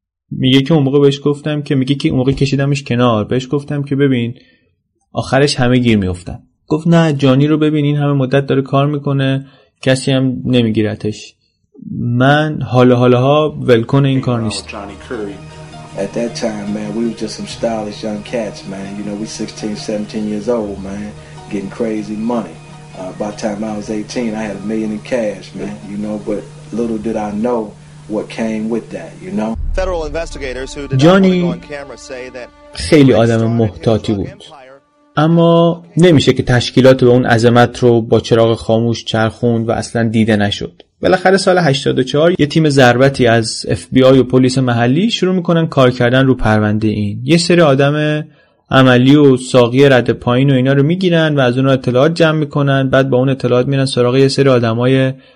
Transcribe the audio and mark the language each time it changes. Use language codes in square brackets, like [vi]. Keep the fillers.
[fa] میگه که اون موقع بهش گفتم که میگه که اون موقع کشیدمش کنار بهش گفتم که ببین آخرش همه گیر میافتن گفت نه جانی رو ببین این همه مدت داره کار میکنه کسی هم نمیگیرتش من حالا حالا ها ولکن این, این کار نیست [en] at that time, man, we were just some stylish young cats, man. You know, we 16, 17 years old, man, getting crazy money. Uh, by the time I was 18, I had a million in cash, man, you know, but little did I know what came with that, you know. Federal investigators who did Johnny... not on camera say that [fa] خیلی آدم محتاطی بود اما نمیشه که تشکیلات به اون عظمت رو با چراغ خاموش چرخوند و اصلا دیده نشد بالاخره سال 84 یه تیم ضربتی از اف بی آی و پلیس محلی شروع میکنن کار کردن رو پرونده این یه سری آدم عملی و ساقی رد پایین و اینا رو میگیرن و از اون رو اطلاعات جمع میکنن بعد با اون اطلاعات میرن سراغ یه سری آدمای